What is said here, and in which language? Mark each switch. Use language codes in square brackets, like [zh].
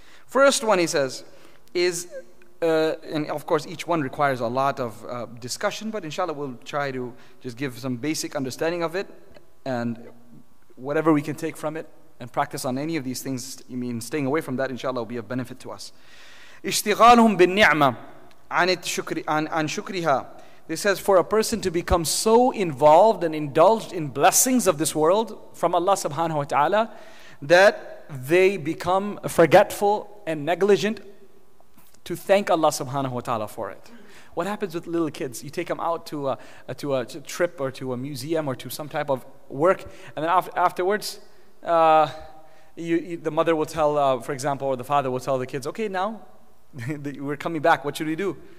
[en] First one he says is, and of course each one requires a lot of discussion, but inshallah we'll try to just give some basic understanding of it and whatever we can take from it and practice on any of these things. You mean staying away from that, inshallah will be of benefit to us. [ar] اشتغالهم بالنعمة عن شكرها. [en] It says, for a person to become so involved and indulged in blessings of this world from Allah subhanahu wa ta'ala that they become forgetful and negligent to thank Allah subhanahu wa ta'ala for it. What happens with little kids? You take them out to a trip or to a museum or to some type of work, and then afterwards, the mother will tell, for example, or the father will tell the kids, okay, now we're coming back, what should we do?